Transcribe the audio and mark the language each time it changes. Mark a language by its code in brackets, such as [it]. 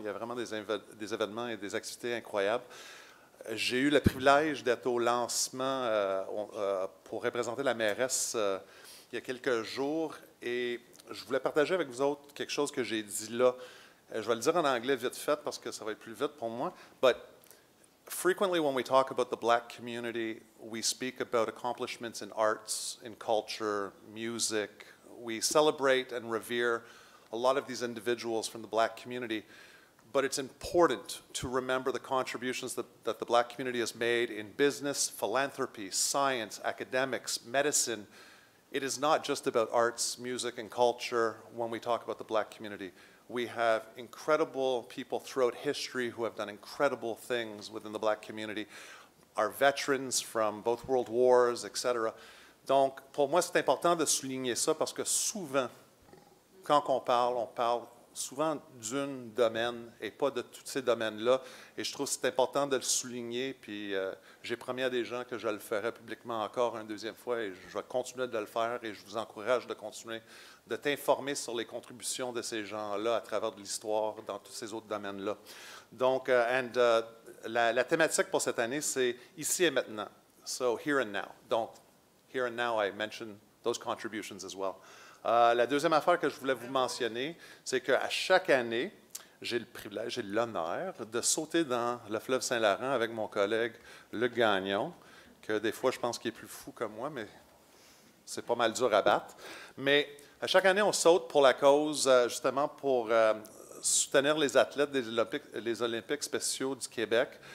[fr] Il y a vraiment des événements et des activités incroyables. J'ai eu le privilège d'être au lancement pour représenter la mairesse il y a quelques jours. Et je voulais partager avec vous autres quelque chose que j'ai dit là. Je vais le dire en anglais vite fait parce que ça va être plus vite pour moi. [en] But frequently when we talk about the black community, we speak about accomplishments in arts, in culture, music. We celebrate and revere a lot of these individuals from the black community. But it's important to remember the contributions that the black community has made in business, philanthropy, science, academics, medicine. It is not just about arts, music, and culture when we talk about the black community. We have incredible people throughout history who have done incredible things within the black community. Our veterans from both world wars, etc. [fr] Donc, pour moi, c'est important de souligner ça parce que souvent, quand on parle souvent d'un domaine et pas de tous ces domaines-là. Et je trouve que c'est important de le souligner. Puis j'ai promis à des gens que je le ferai publiquement encore une deuxième fois et je vais continuer de le faire et je vous encourage de continuer de t'informer sur les contributions de ces gens-là à travers de l'histoire dans tous ces autres domaines-là. Donc, la thématique pour cette année, c'est « Ici et maintenant ». [en] So, here and now. Donc, here and now, I mentioned those contributions as well. [fr] La deuxième affaire que je voulais vous mentionner, c'est qu'à chaque année, j'ai le privilège, j'ai l'honneur de sauter dans le fleuve Saint-Laurent avec mon collègue Luc Gagnon, que des fois, je pense qu'il est plus fou que moi, mais c'est pas mal dur à battre. Mais à chaque année, on saute pour la cause, justement, pour soutenir les athlètes des Olympiques spéciaux du Québec.